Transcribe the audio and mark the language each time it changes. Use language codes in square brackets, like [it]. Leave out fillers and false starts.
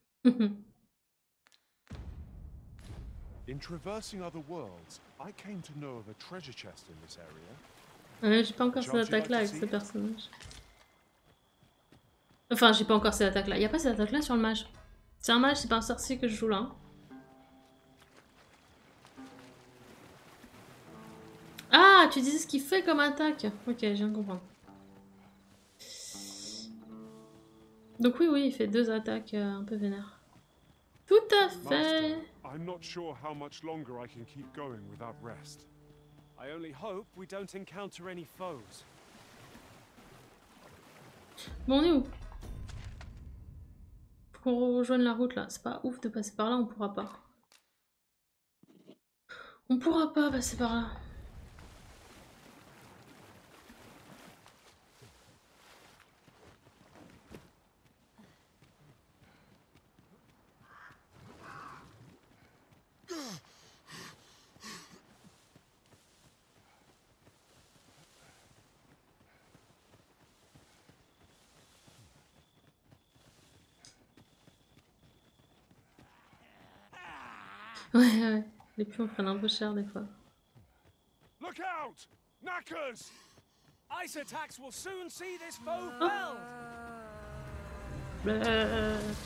[en] In traversing other worlds, I came to know of a treasure chest in this area. [fr] Ah, j'ai pas encore cette attaque-là avec ce personnage. Enfin, j'ai pas encore cette attaque-là. Y'a pas cette attaque-là sur le mage. C'est un mage, c'est pas un sorcier que je joue là. Ah, tu disais ce qu'il fait comme attaque. Ok, je viens de comprendre. Donc oui, oui, il fait deux attaques un peu vénères. Tout à fait. [en] I'm not sure how much longer I can keep going without rest. I only hope we don't encounter any foes. [fr] Bon, on est où? Pour rejoindre la route là, c'est pas ouf de passer par là, on pourra pas. On pourra pas passer par là. Ouais, ouais, les plus on prend un peu cher des fois. [en] Look out, knackers! Ice attacks will soon see this foe felled.